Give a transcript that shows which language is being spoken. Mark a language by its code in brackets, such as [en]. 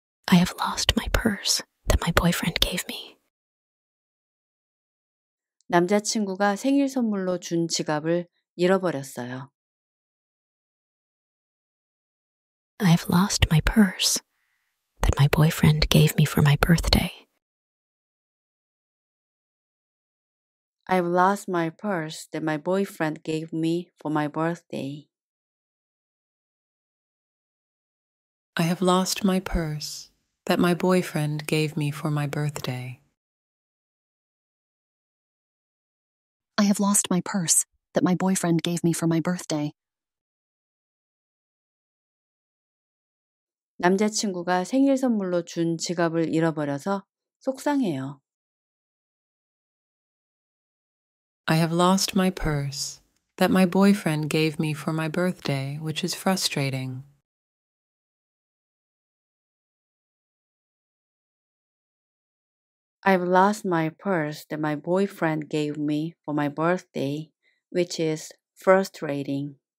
[en] I have lost my purse that my boyfriend gave me. [ko] 남자친구가 생일 선물로 준 지갑을 잃어버렸어요. [en] I have lost my purse that my boyfriend gave me for my birthday. I have lost my purse that my boyfriend gave me for my birthday. I have lost my purse that my boyfriend gave me for my birthday. I have lost my purse that my boyfriend gave me for my birthday. [ko] 남자친구가 생일 선물로 준 지갑을 잃어버려서 속상해요. [en] I have lost my purse that my boyfriend gave me for my birthday, which is frustrating. I have lost my purse that my boyfriend gave me for my birthday, which is frustrating.